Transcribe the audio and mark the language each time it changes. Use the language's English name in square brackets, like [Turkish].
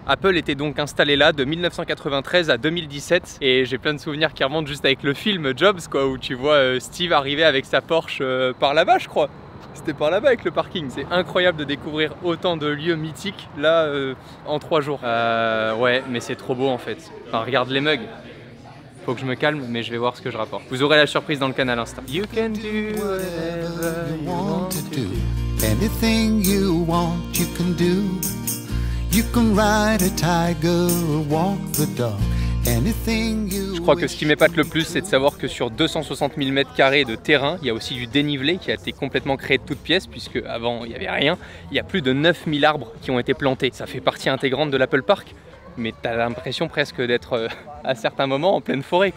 [French] Apple était donc installé là de 1993 à 2017, et j'ai plein de souvenirs qui remontent juste avec le film Jobs, quoi, où tu vois Steve arriver avec sa Porsche par là-bas, je crois. C'était par là-bas avec le parking. C'est incroyable de découvrir autant de lieux mythiques là en 3 jours. Ouais, mais c'est trop beau en fait. Enfin, regarde les mugs. Faut que je me calme, mais je vais voir ce que je rapporte. Vous aurez la surprise dans le canal Insta. [English] You can do whatever you want to do. Anything you want, you can do. You can ride a tiger or walk the dog. [French] Je crois que ce qui m'épate le plus, c'est de savoir que sur 260 000 m² de terrain, il y a aussi du dénivelé qui a été complètement créé de toutes pièces, puisque avant il n'y avait rien. Il y a plus de 9000 arbres qui ont été plantés. Ça fait partie intégrante de l'Apple Park, mais t'as l'impression presque d'être à certains moments en pleine forêt.